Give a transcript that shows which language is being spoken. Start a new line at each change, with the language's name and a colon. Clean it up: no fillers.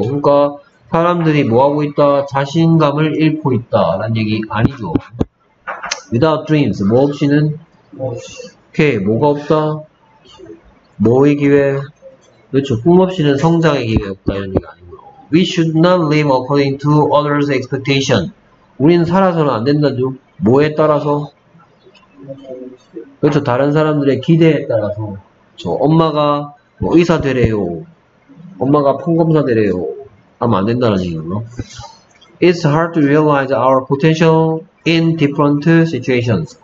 Korean: 그러니까 사람들이 뭐하고 있다? 자신감을 잃고 있다 라는 얘기 아니죠.
English: without dreams,
Korean: 뭐 없이는? 오케이, 뭐가 없다? 뭐의 기회? 그렇죠. 꿈 없이는 성장의 기회가 없다 이런 얘기 아니고요.
English: we should not live according to others' expectation.
Korean: 우린 살아서는 안 된다죠. 뭐에 따라서? 그렇죠. 다른 사람들의 기대에 따라서. 그렇죠. 엄마가 뭐 의사 되래요. 엄마가 판검사 되래요. 하면 안 된다는 얘기고요.
English: It's hard to realize our potential in different situations.